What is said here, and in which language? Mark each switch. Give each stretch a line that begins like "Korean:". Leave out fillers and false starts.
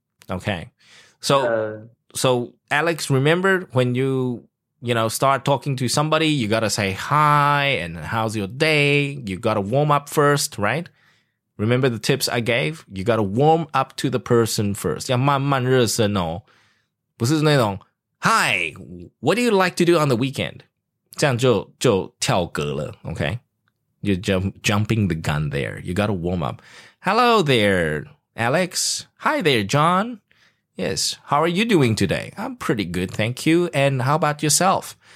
English: Okay. So Alex, remember when you start talking to somebody, you got to say hi and how's your day? You got to warm up first, right? Remember the tips I gave? You got to warm up to the person first.
Chinese: 要慢慢热身哦，不是那种。
English: Hi, what do you like to do on the weekend?
Chinese: 这样就跳格了,
English: okay? You're jumping the gun there. You got to warm up. Hello there, Alex. Hi there, John. Yes, how are you doing today? I'm pretty good, thank you. And how about yourself?